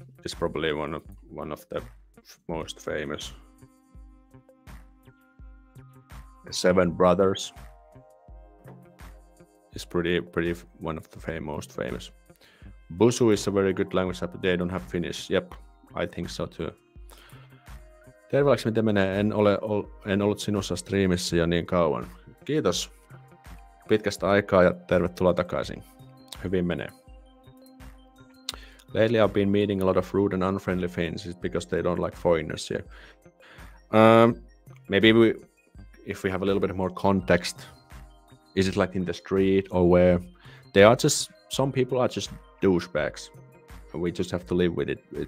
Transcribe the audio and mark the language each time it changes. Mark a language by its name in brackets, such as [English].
[English] is probably one of the most famous. Seven Brothers is pretty one of the most famous. Busu is a very good language, but they don't have Finnish. Yep, I think so too. [Finnish] Terveeksi, miten menee? En ollut sinussa striimissä jo niin kauan. Kiitos pitkästä aikaa ja tervetuloa takaisin. Hyvin menee. [English] Lately I've been meeting a lot of rude and unfriendly Finns because they don't like foreigners here. Maybe if we have a little bit more context, is it like in the street or where? They are just, some people are just douchebags. We just have to live with it.